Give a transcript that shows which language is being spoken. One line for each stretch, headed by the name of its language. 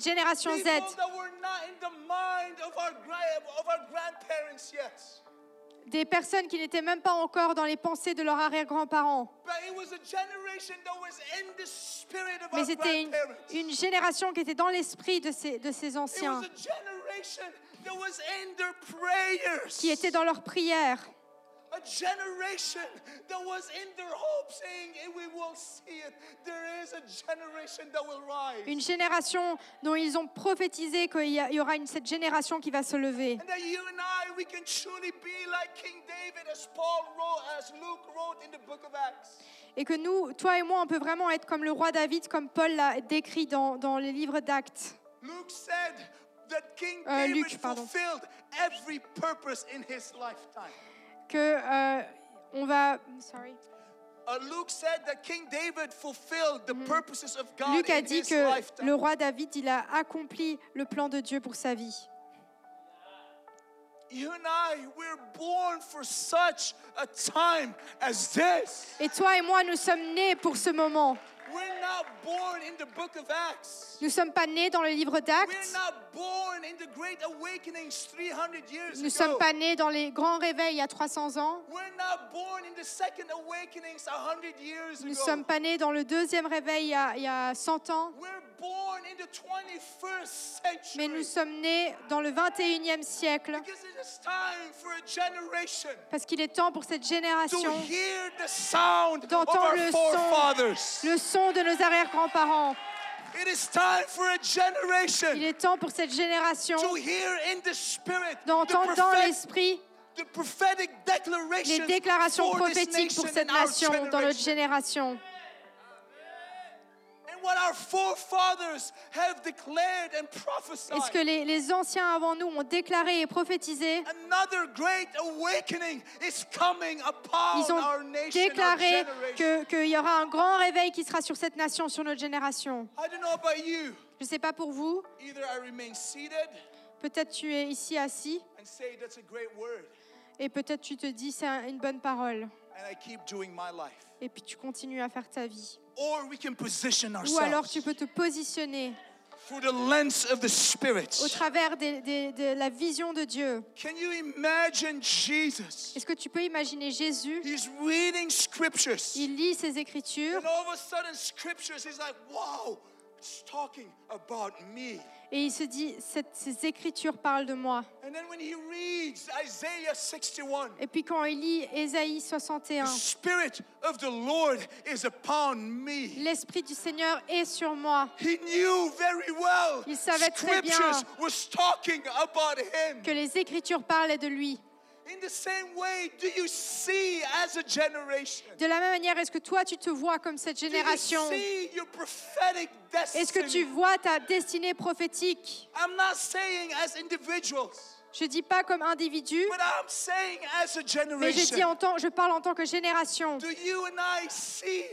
English: People that were not in the mind of our grandparents yet.
French: Des personnes qui n'étaient même pas encore dans les pensées de leurs arrière-grands-parents.
English: But it was a generation that was in the spirit of
French: Mais
English: our grandparents.
French: Mais c'était une génération qui était dans l'esprit de ces anciens.
English: It was a generation that was in their prayers.
French: Qui était dans leurs prières.
English: A generation that was in their hope saying we will see it. There is a generation that will rise.
French: Une génération dont ils ont prophétisé qu'il y aura cette génération qui va se lever.
English: And that you and I, we can truly be like King David as Paul wrote, as Luke wrote in the book of Acts.
French: Et que nous, toi et moi, on peut vraiment être comme le roi David, comme Paul l'a décrit dans les livres d'Actes.
English: Luke said that King David fulfilled every purpose in his lifetime.
French: Que on va sorry
English: Luke said that King David fulfilled the purposes of God.
French: Luke a dit
English: in
French: que
English: his lifetime.
French: Le roi David, il a accompli le plan de Dieu pour sa vie.
English: You and I, we're born for such a time as this.
French: Et toi et moi, nous sommes nés pour ce moment.
English: We're not born in the book of Acts.
French: Nous sommes pas nés dans le livre d'Actes.
English: We're not born in the great awakenings 300 years
French: ago. Nous sommes pas nés dans les grands réveils il y a 300 ans.
English: We're not born in the second awakenings 100 years ago.
French: Nous sommes pas nés dans le deuxième réveil il y a 100 ans.
English: We're born in the 21st century.
French: Mais nous sommes nés dans le 21e siècle.
English: Because it is time for a generation.
French: Parce qu'il est temps pour cette génération.
English: To hear the sound of our forefathers.
French: Le son de nos arrière-grands-parents.
English: It is time for a generation.
French: Il est temps pour cette génération
English: to hear in the spirit,
French: d'entendre dans l'esprit
English: the prophetic declarations
French: les déclarations prophétiques pour cette nation, dans notre génération.
English: And what our forefathers have declared and prophesied.
French: Est-ce que les anciens avant nous ont déclaré et prophétisé?
English: Another great awakening is coming upon our nation.
French: Ils ont déclaré qu'il y aura un grand réveil qui sera sur cette nation, sur notre génération.
English: I don't know about you.
French: Je ne sais pas pour vous.
English: Either I remain seated.
French: peut-être tu es ici assis
English: and say, that's a great word.
French: Et peut-être tu te dis c'est une bonne parole
English: and I keep doing my life.
French: Et puis tu continues à faire ta vie.
English: Or we can position ourselves.
French: Ou alors tu peux te positionner
English: through the lens of the Spirit.
French: Au travers de la vision de Dieu.
English: Can you imagine Jesus?
French: Est-ce que tu peux imaginer Jésus?
English: He's reading scriptures.
French: Il lit ses écritures.
English: And all of a sudden, scriptures, he's like, "Wow, it's talking about me."
French: Et il se dit, ces écritures parlent de moi.
English: And then when he reads Isaiah 61.
French: Et puis quand il lit Ésaïe 61.
English: The Spirit of the Lord is upon me.
French: L'Esprit du Seigneur est sur moi.
English: He knew very well.
French: Il savait très bien.
English: Scriptures was talking about him.
French: Que les écritures parlaient de lui.
English: In the same way, do you see as a generation?
French: De la même manière, est-ce que toi tu te vois comme cette génération?
English: Do you see your prophetic destiny?
French: Est-ce que tu vois ta destinée prophétique?
English: I'm not saying as individuals.
French: Je dis pas comme individu.
English: But I'm saying as a generation.
French: Mais je parle en tant que génération.
English: Do you and I see?